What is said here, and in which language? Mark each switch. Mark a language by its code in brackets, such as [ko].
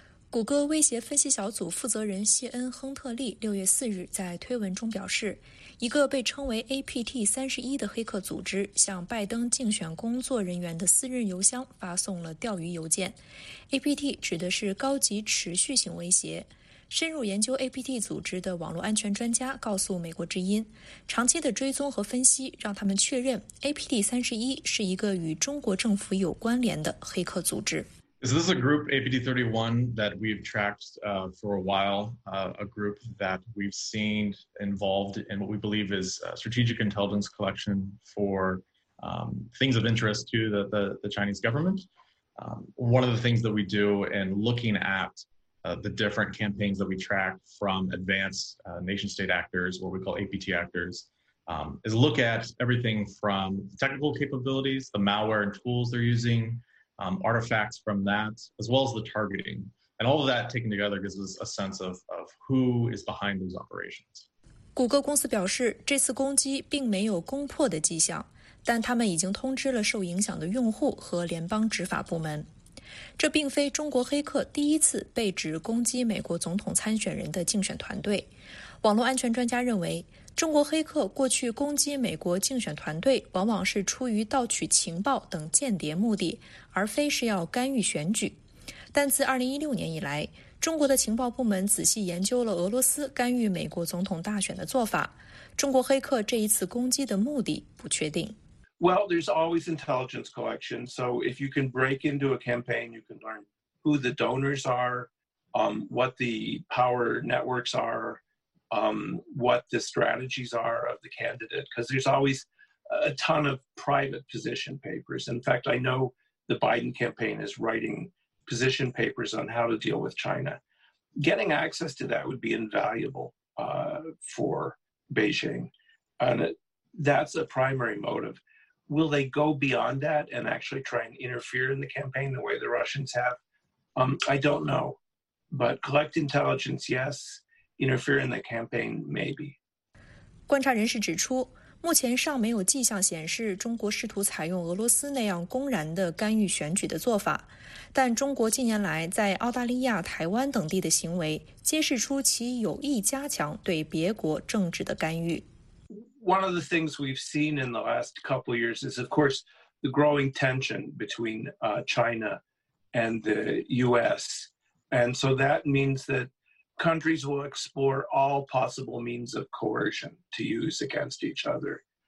[zh] 谷歌威胁分析小组负责人谢恩·亨特利6月4日在推文中表示，一个被称为 APT31 的黑客组织向拜登竞选工作人员的私人邮箱发送了钓鱼邮件。 APT 指的是高级持续性威胁。深入研究 APT 组织的网络安全专家告诉美国之音，长期的追踪和分析让他们确认 APT31 是一个与中国政府有关联的黑客组织。 [en] So this is a group, APT31, that we've tracked for a while, a group that we've seen involved in what we believe is strategic intelligence collection for things of interest to the Chinese government. One of the things that we do in looking at the different campaigns that we track from advanced nation state actors, what we call APT actors, is look at everything from technical capabilities, the malware and tools they're using,artifacts from that, as well as the targeting. And all of that taken together gives us a sense of who is behind those operations. [zh] 谷歌公司表示，这次攻击并没有攻破的迹象，但他们已经通知了受影响的用户和联邦执法部门。这并非中国黑客第一次被指攻击美国总统参选人的竞选团队。网络安全专家认为，中国黑客过去攻击美国竞选团队往往是出于盗取情报等间谍目的，而非是要干预选举。但自2016年以来，中国的情报部门仔细研究了俄罗斯干预美国总统大选的做法，中国黑客这一次攻击的目的不确定。 [en] Well, there's always intelligence collection. So if you can break into a campaign, you can learn who the donors are, what the power networks are,what the strategies are of the candidate, because there's always a ton of private position papers. In fact, I know the Biden campaign is writing position papers on how to deal with China. Getting access to that would be invaluable for Beijing. And that's a primary motive. Will they go beyond that and actually try and interfere in the campaign the way the Russians have? I don't know. But collect intelligence, yes. Interfere in the campaign, maybe. [zh] 观察人士指出，目前尚没有迹象显示中国试图采用俄罗斯那样公然的干预选举的做法，但中国近年来在澳大利亚、台湾等地的行为揭示出其有意加强对别国政治的干预。 [en] One of the things we've seen in the last couple of years is, of course, the growing tension between China and the U.S. And so that means that. Countries will explore all possible means of coercion to use against each other.